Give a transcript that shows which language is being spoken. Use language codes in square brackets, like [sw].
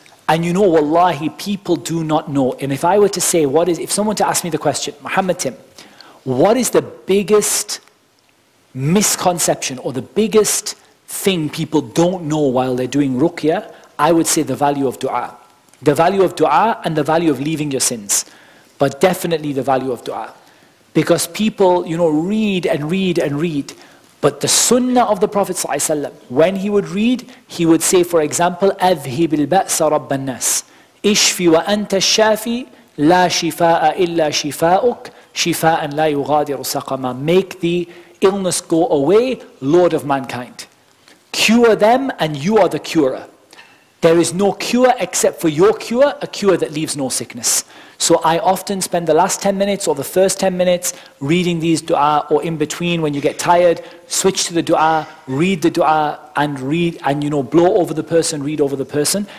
[en] And wallahi, people do not know. And if I were to say, if someone to ask me the question, Muhammad Tim, what is the biggest misconception or the biggest thing people don't know while they're doing ruqyah? I would say the value of dua. The value of dua and the value of leaving your sins. But definitely the value of dua. Because people, you know, read and read and read. But the sunnah of the Prophet ﷺ, when he would read, he would say, for example, [ar] أَذْهِبِ الْبَأْسَ رَبَّ النَّاسِ إِشْفِ وَأَنْتَ الشَّافِي لَا شِفَاءَ إِلَّا شِفَاءُكْ شِفَاءً لَا يُغَادِرُ سَقَمًا. [en] Make the illness go away, Lord of mankind. Cure them and you are the curer. There is no cure except for your cure, a cure that leaves no sickness. So I often spend the last 10 minutes or the first 10 minutes reading these dua, or in between when you get tired, switch to the dua, read the dua, and read, and you know, blow over the person, read over the person.